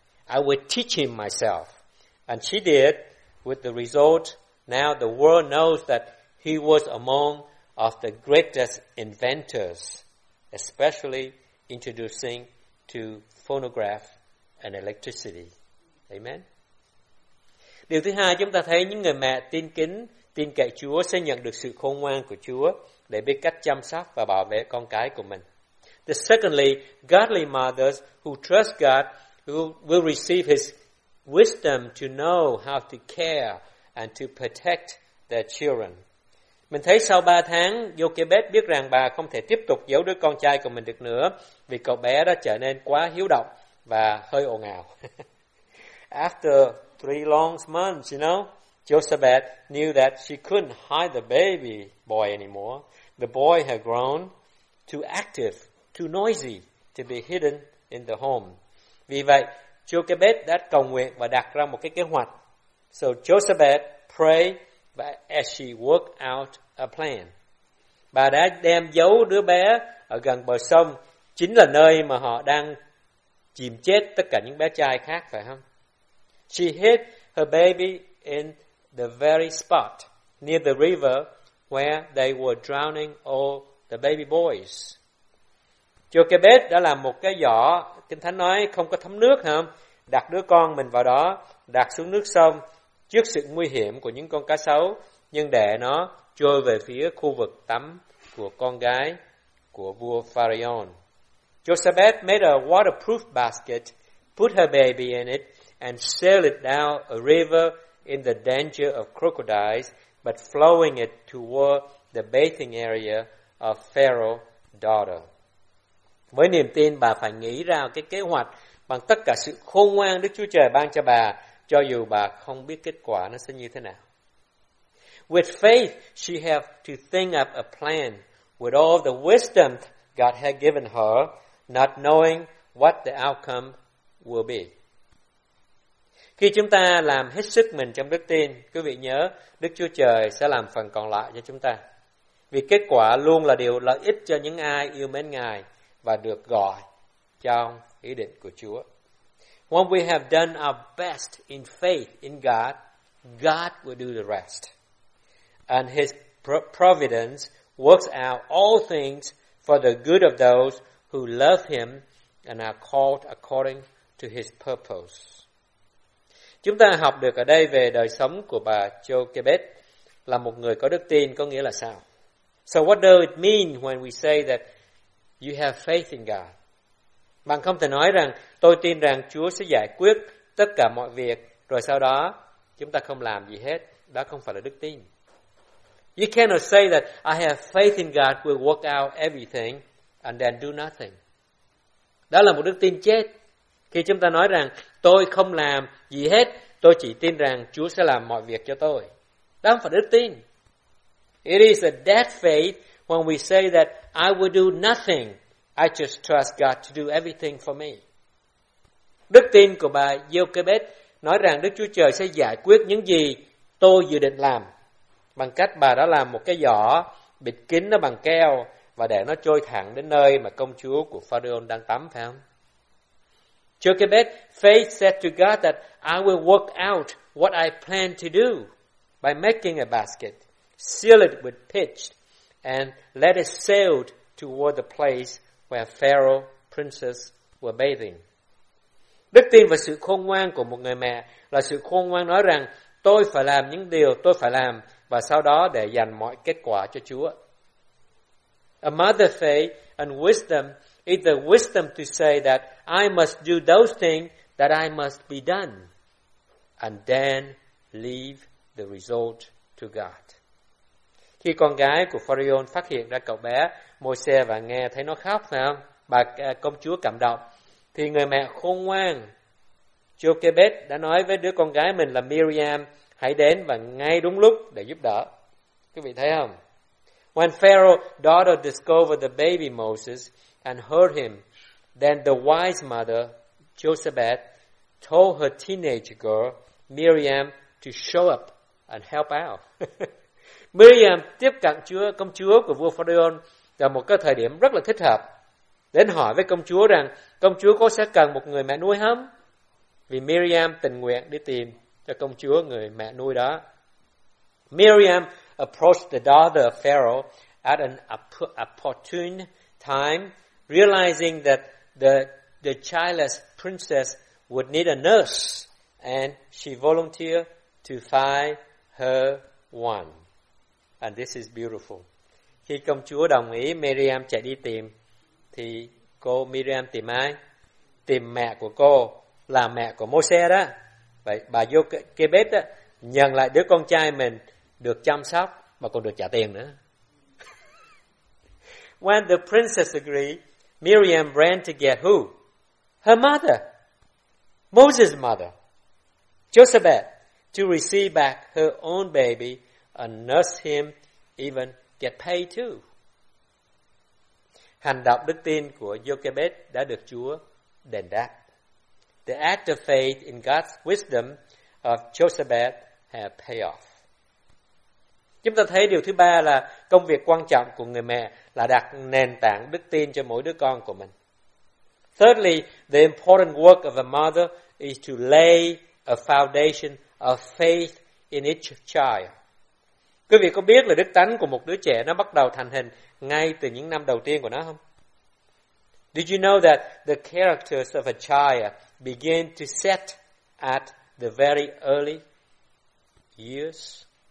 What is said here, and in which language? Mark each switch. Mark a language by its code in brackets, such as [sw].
[en] I will teach him myself. And she did, with the result, now the world knows that he was among of the greatest inventors, especially introducing to phonograph and electricity. Amen. [vi] Điều thứ hai, chúng ta thấy những người mẹ tin kính, tin cậy Chúa sẽ nhận được sự khôn ngoan của Chúa để biết cách chăm sóc và bảo vệ con cái của mình. [en] The secondly, godly mothers who trust God will receive His wisdom to know how to care and to protect their children. [vi] Mình thấy sau 3 tháng, Jochebed biết rằng bà không thể tiếp tục giấu đứa con trai của mình được nữa vì cậu bé đã trở nên quá hiếu động và hơi ồn ào. [en] After 3 long months, you know, Jochebed knew that she couldn't hide the baby boy anymore. The boy had grown too active, too noisy to be hidden in the home. [vi] Vì vậy, Jochebed đã cầu nguyện và đặt ra một cái kế hoạch. [en] So Jochebed prayed. But as she worked out a plan, [vi] bà đã đem giấu đứa bé ở gần bờ sông, chính là nơi mà họ đang chìm chết tất cả những bé trai khác, phải không? [en] She hid her baby in the very spot near the river where they were drowning all the baby boys. [vi] Jochebed đã làm một cái giỏ, Kinh Thánh nói không có thấm nước, không? Đặt đứa con mình vào đó, đặt xuống nước sông, trước sự nguy hiểm của những con cá sấu, nhưng để nó trôi về phía khu vực tắm của con gái của vua Pharaoh. [en] Jochebed made a waterproof basket, put her baby in it, and sailed it down a river in the danger of crocodiles, but flowing it toward the bathing area of Pharaoh's daughter. [vi] Với niềm tin, bà phải nghĩ ra cái kế hoạch bằng tất cả sự khôn ngoan Đức Chúa Trời ban cho bà, cho dù bà không biết kết quả nó sẽ như thế nào. [en] With faith, she had to think up a plan with all the wisdom God had given her, not knowing what the outcome will be. [vi] Khi chúng ta làm hết sức mình trong đức tin, quý vị nhớ, Đức Chúa Trời sẽ làm phần còn lại cho chúng ta. Vì kết quả luôn là điều lợi ích cho những ai yêu mến Ngài và được gọi trong ý định của Chúa. [en] When we have done our best in faith in God, God will do the rest. And His providence works out all things for the good of those who love Him and are called according to His purpose. [vi] Chúng ta học được ở đây về đời sống của bà Jochebed là một người có đức tin, có nghĩa là sao? [en] So what does it mean when we say that you have faith in God? [vi] Bạn không thể nói rằng tôi tin rằng Chúa sẽ giải quyết tất cả mọi việc rồi sau đó chúng ta không làm gì hết. Đó không phải là đức tin. [en] You cannot say that I have faith in God will work out everything and then do nothing. [vi] Đó là một đức tin chết. Khi chúng ta nói rằng tôi không làm gì hết, tôi chỉ tin rằng Chúa sẽ làm mọi việc cho tôi. Đó không phải đức tin. [en] It is a dead faith when we say that I will do nothing, I just trust God to do everything for me. [vi] Đức tin của bà Jochebed nói rằng Đức Chúa Trời sẽ giải quyết những gì tôi dự định làm bằng cách bà đã làm một cái giỏ bịt kín nó bằng keo và để nó trôi thẳng đến nơi mà công chúa của Pharaoh đang tắm, phải không? [en] Jochebed faith said to God that I will work out what I plan to do by making a basket, seal it with pitch, and let it sail toward the place where Pharaoh princes were bathing. [vi] Đức tin và sự khôn ngoan của một người mẹ là sự khôn ngoan nói rằng tôi phải làm những điều tôi phải làm và sau đó để dành mọi kết quả cho Chúa. [en] A mother faith and wisdom is the wisdom to say that I must do those things that I must be done and then leave the result to God. [vi] Khi con gái của Pharaoh phát hiện ra cậu bé Moses và nghe thấy nó khóc, phải không? Bà công chúa cảm động. Thì người mẹ khôn ngoan Jochebed đã nói với đứa con gái mình là Miriam, hãy đến và ngay đúng lúc để giúp đỡ. Quý vị thấy không? [en] When Pharaoh's daughter discovered the baby Moses and heard him, then the wise mother, Jochebed, told her teenage girl, Miriam, to show up and help out. [vi] Miriam tiếp cận chúa, công chúa của vua Pharaoh vào một cái thời điểm rất là thích hợp. Đến hỏi với công chúa rằng, công chúa có sẽ cần một người mẹ nuôi không? Vì Miriam tình nguyện đi tìm cho công chúa người mẹ nuôi đó. [en] Miriam approached the daughter of Pharaoh at an opportune time, realizing that the childless princess would need a nurse, and she volunteered to find her one. And this is beautiful. [vi] Khi công chúa đồng ý, Miriam chạy đi tìm, thì cô Miriam tìm ai? Tìm mẹ của cô, là mẹ của Moses đó. Vậy bà Jochebed đó, nhận lại đứa con trai mình được chăm sóc mà còn được trả tiền nữa. [en] When the princess agreed, Miriam ran to get who? Her mother, Moses' mother, Jochebed, to receive back her own baby and nurse him, even get paid too. [vi] Hành động đức tin của Jochebed đã được Chúa đền đáp. [en] The act of faith in God's wisdom of Jochebed had paid off. [vi] Chúng ta thấy điều thứ ba là công việc quan trọng của người mẹ là đặt nền tảng đức tin cho mỗi đứa con của mình. [en] Thirdly, the important work of a mother is to lay a foundation of faith in each child. [vi] Quý vị có biết là đức tánh của một đứa trẻ nó bắt đầu thành hình ngay từ những năm đầu tiên của nó không? [en] Did you know that the characters of a child begin to set at the very early years?